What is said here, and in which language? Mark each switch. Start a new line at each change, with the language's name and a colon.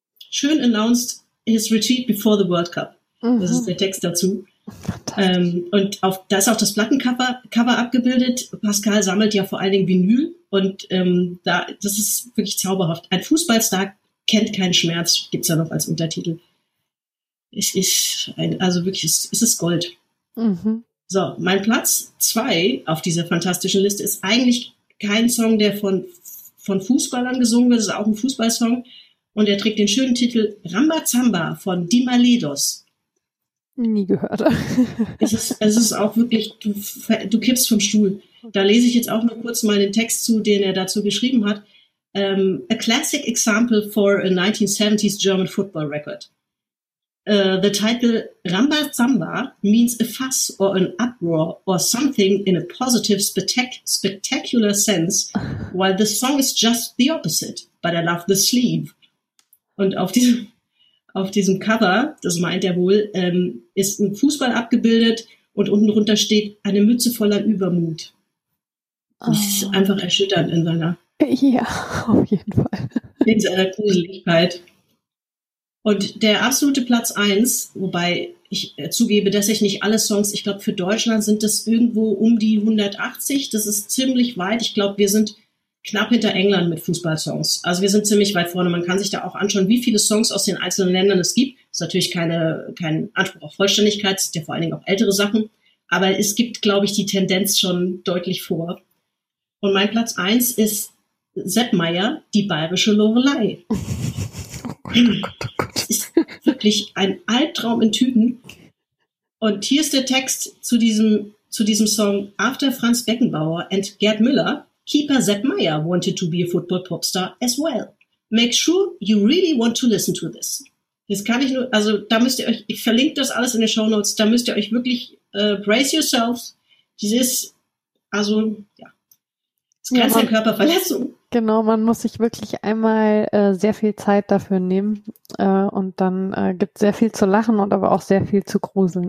English: Schön announced his retreat before the World Cup.
German: Mhm. Das ist der Text dazu. Und da ist auch das Plattencover abgebildet. Pascal sammelt ja vor allen Dingen Vinyl. Und das ist wirklich zauberhaft. Ein Fußballstar kennt keinen Schmerz, gibt es ja noch als Untertitel. Es ist ein, also wirklich, es ist Gold. Mhm. So, mein Platz 2 auf dieser fantastischen Liste ist eigentlich kein Song, der von Fußballern gesungen wird. Es ist auch ein Fußballsong. Und er trägt den schönen Titel Rambazamba von Dimalidos. Nie gehört. Es ist auch wirklich, du kippst vom Stuhl. Da lese ich jetzt auch nur kurz mal den Text zu, den er dazu geschrieben hat.
English: A classic example for a 1970s German football record. The title Rambazamba means a fuss or an uproar or something in a positive, spectacular sense, while the song is just the opposite. But I love the sleeve.
German: Und auf diesem Cover, das meint er wohl, ist ein Fußball abgebildet und unten drunter steht eine Mütze voller Übermut. Das ist einfach erschütternd in seiner. Ja, auf jeden Fall. In seiner Gruseligkeit. Und der absolute Platz 1, wobei ich zugebe, dass ich nicht alle Songs, ich glaube, für Deutschland sind das irgendwo um die 180. Das ist ziemlich weit. Ich glaube, wir sind knapp hinter England mit Fußballsongs. Also wir sind ziemlich weit vorne. Man kann sich da auch anschauen, wie viele Songs aus den einzelnen Ländern es gibt. Das ist natürlich kein Anspruch auf Vollständigkeit. Es sind ja vor allen Dingen auch ältere Sachen. Aber es gibt, glaube ich, die Tendenz schon deutlich vor. Und mein Platz 1 ist Sepp Maier, die bayerische Lorelei. Oh Gott. Das ist wirklich ein Albtraum in Tüten. Und hier ist der Text zu diesem Song
English: After Franz Beckenbauer and Gerd Müller. Keeper Sepp Maier wanted to be a football popstar as well. Make sure you really want to listen to this.
German: Das kann ich nur, also da müsst ihr euch, ich verlinke das alles in den Shownotes, da müsst ihr euch wirklich
English: brace yourselves.
German: Dieses, also, ja. Das ist keine Körperverletzung. Genau, man muss sich wirklich einmal sehr viel Zeit dafür nehmen und dann gibt es sehr viel zu lachen und aber auch sehr viel zu gruseln.